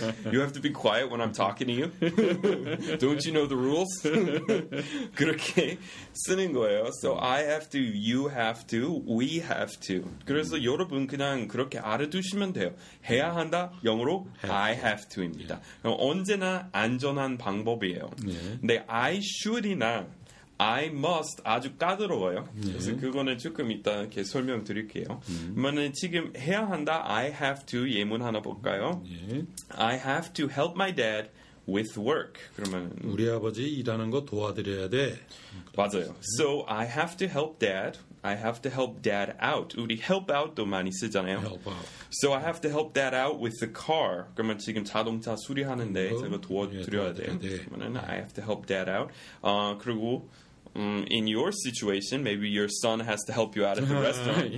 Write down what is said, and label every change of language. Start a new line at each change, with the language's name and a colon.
English: You have to be quiet when I'm talking to you. Don't you know the rules?
Korean: 그렇게 쓰는 거예요.
English: So I have to, you have to, we have to.
Korean: 그래서 여러분 그냥 그렇게 알아두시면 돼요. 해야 한다, 영어로
English: I have to
Korean: 입니다. 언제나 안전한 방법이에요. 근데
English: I should
Korean: 이나
English: I must
Korean: 아주 까다로워요. 네. 그래서 그거는 조금 이따 이렇게 설명드릴게요. 그러면 지금 해야 한다.
English: I have to
Korean: 예문 하나 볼까요? 네.
English: I have to help my dad with work.
Korean: 그러면 우리 아버지 일하는 거 도와드려야 돼. 맞아요.
English: So I have to help dad. I have to help dad out.
Korean: 우리 help out도 많이 쓰잖아요.
English: Help out. So I have to help dad out with the car.
Korean: 그러면 지금 자동차 수리하는데 제가 도와드려야 돼. 그러면
English: I have to help dad out. 그리고 in your situation, maybe your son has to help you out at the restaurant.